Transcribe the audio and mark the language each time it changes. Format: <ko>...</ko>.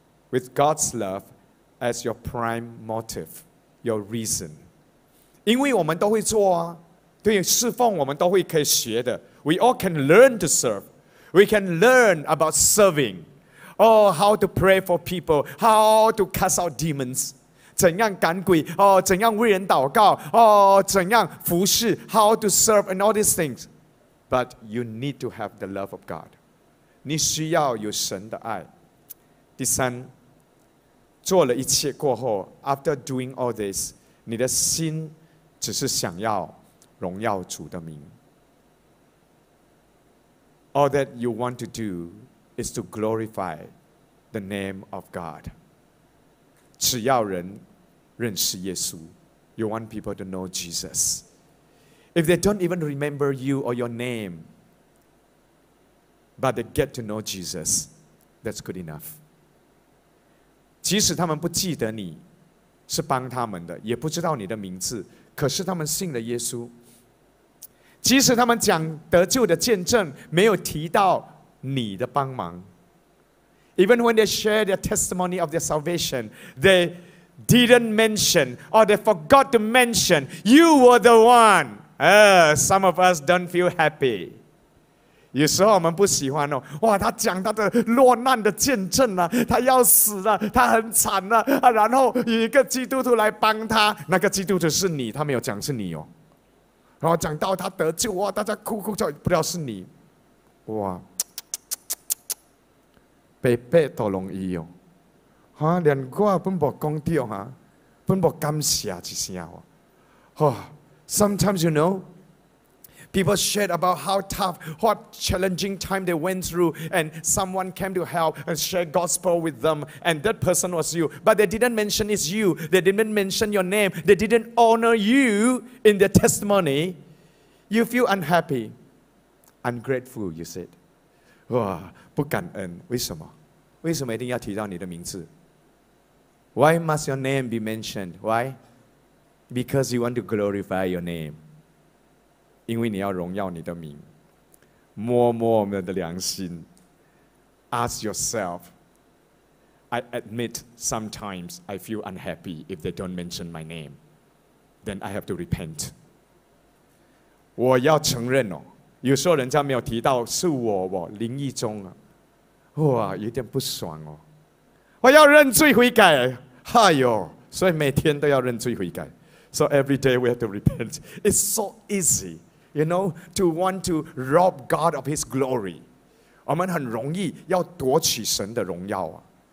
<en>With God's love as your prime motive, your reason.</en> <zh>因为我们都会做啊，对，侍奉我们都会可以学的。</zh> <en>We all can learn to serve. We can learn about serving. Oh, how to pray for people, how to cast out demons.</en> <zh>怎样赶鬼、哦、怎样为人祷告、哦、怎样服侍</zh> <en>How to serve and all these things But you need to have the love of God</en> <zh>你需要有神的爱第三做了一切过后</zh> <en>After doing all this</en> <zh>你的心只是想要荣耀主的名</zh> <en>All that you want to do is to glorify the name of God</en> <zh>只要人认识耶稣</zh> <en>You want people to know Jesus. If they don't even remember you or your name, but they get to know Jesus, that's good enough.</en> <zh>即使他们不记得你是帮他们的，也不知道你的名字，可是他们信了耶稣。即使他们讲得救的见证，没有提到你的帮忙。</zh> <en>Even when they share their testimony of their salvation, they didn't mention or they forgot to mention you were the one. Some of us don't feel happy.</en> <zh>有时候我们不喜欢哦，哇，他讲他的落难的见证了，他要死了，他很惨了、啊、然后有一个基督徒来帮他，那个基督徒是你，他没有讲是你哦。然后讲到他得救，哇，大家哭哭叫，不知道是你，哇。白白都容易哦，哈、啊！连我本无讲到哈，本无感谢一声哦。</zh> <en>Sometimes you know, people shared about how tough, what challenging time they went through, and someone came to help and share gospel with them, and that person was you. But they didn't mention it's you. They didn't mention your name. They didn't honor you in their testimony. You feel unhappy, ungrateful. You said, 哇！</en> <zh>不感恩，为什么？为什么一定要提到你的名字 ？</zh> <en>Why must your name be mentioned? Why? Because you want to glorify your name.</en> <zh>因为你要荣耀你的名。摸摸我们的良心 ，</zh> <en>Ask yourself. I admit sometimes I feel unhappy if they don't mention my name. Then I have to repent.</en> <zh>我要承认哦，有时候人家没有提到是我，我林义中啊。哇，有点不爽哦！我要认罪悔改，哎呦！所以每天都要认罪悔改。</zh> <en>So every day we have to repent. It's so easy, you know, to want to rob God of His glory.</en> <zh>我们很容易要夺取神的荣耀啊！</zh>